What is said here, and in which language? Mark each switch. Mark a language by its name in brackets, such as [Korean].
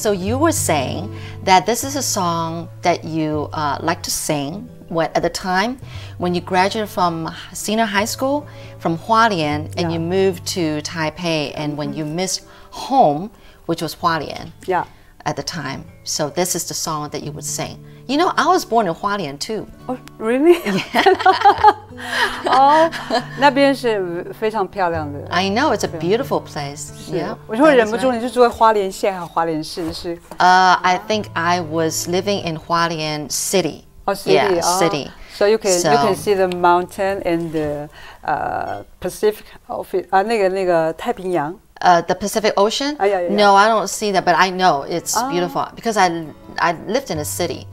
[English] So you were saying that this is a song that you like to sing at the time when you graduated from senior high school from Hualien and you moved to Taipei and when you missed home, which was Hualien. Yeah. At the time, so this is the song that you would sing. You know, I was born in Hualien too. Oh, really? Yeah. [Chinese] Oh, 那边是非常漂亮的。 [English] I know it's a beautiful place. Yeah. [Chinese] 我就会忍不住，你是住在花莲县还是花莲市？是。 [English] I think I was living in Hualien City. Oh, city. Yeah, city. So you can see the mountain and the Pacific of it. [Chinese] 那个太平洋。 [English] The Pacific Ocean? Yeah. No, I don't see that, but I know it's beautiful because I lived in a city.